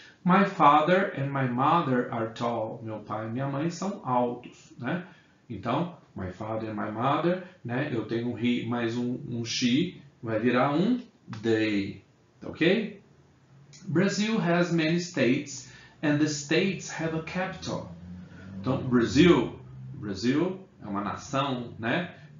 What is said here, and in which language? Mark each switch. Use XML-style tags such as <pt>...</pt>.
<en>My father and my mother are tall.</en> <pt>Meu pai e minha mãe são altos, né? Então,</pt> <en>my father and my mother,</en> <pt>né? Eu tenho um he mais um she, vai virar um they, ok?</pt> <en>Brazil has many states and the states have a capital.</en> <pt>Então, Brazil é uma nação, né?</pt>